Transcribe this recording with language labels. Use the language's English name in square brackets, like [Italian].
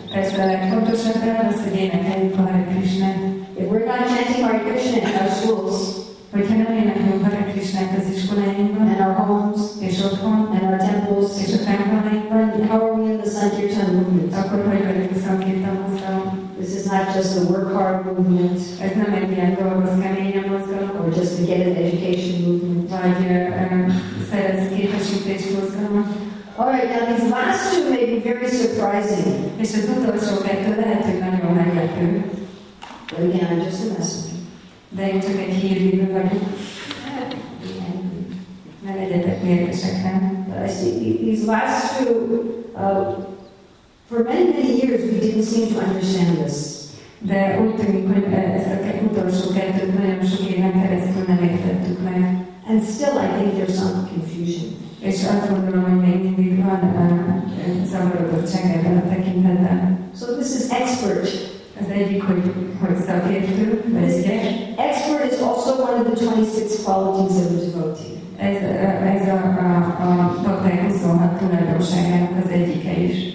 [Hungarian] Ez a legfontosabb elve, hogy énekeljük a Hare Krishna. [English] If we're not chanting Hare Krishna in our schools, [Hungarian] hogyha nem énekeljük Hare Krishnát az iskolainkban, [English] and our homes, [Hungarian] és otthon, [English] and our temples, [Hungarian] és a templomainkban, [English] how are we in the Sankirtan movement? [Hungarian] Akkor hogy vagyunk a Sankirtan mozgalom? [English] This is not just a work hard movement. [Hungarian] Ez nem egy ilyen dolgoz kemény a mozgalom. [English] Or just to get an education movement. [Hungarian] Vagy szerez képesítés mozgalom. [English] All right, now these last two may be very surprising. [Hungarian] És az utolsó kettő lehet, hogy nagyon meglepő. [English] But again, I'm just a messenger. [Hungarian] De én csak egy hírvívő vagyok. Ne legyetek mérgesek, nem? [English] But I see these last two for many, many years, we didn't seem to understand this. [Hungarian] De úgy tűnik, hogy ezt a utolsó kettőt nagyon sok éven keresztül nem értettük meg. [English] And still, I think there's some confusion. [Hungarian] És azt gondolom, hogy még mindig van zavarodottság ebben a tekintetben. [English] So this is expert. [Hungarian] Az egyik, hogy szakértő, vagy egy. [English] Expert is also one of the 26 qualities of a devotee. [Hungarian] Ez a doktor 26 tulajdonságának az egyike is.